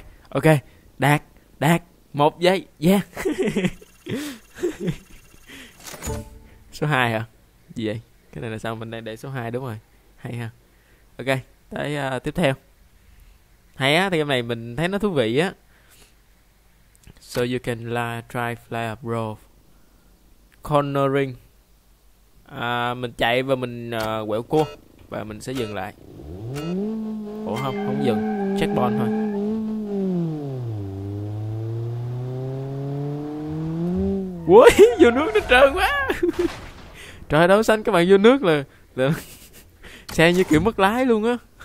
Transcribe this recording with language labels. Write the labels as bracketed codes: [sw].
[vi] Ok. Đạt, đạt. 1 giây. Số 2 hả? Gì vậy? Cái này là sao mình đang để số 2 đúng rồi. Hay ha. Ok, tới tiếp theo. Hay á, thì cái này mình thấy nó thú vị á. [en] So you can drive like a pro. Cornering. [vi] Mình chạy và mình quẹo cua và mình sẽ dừng lại. Ủa không, không dừng, checkpoint thôi. Ui, vô nước nó trơn quá. Trời đâu xanh các bạn vô nước là xe như kiểu mất lái luôn á.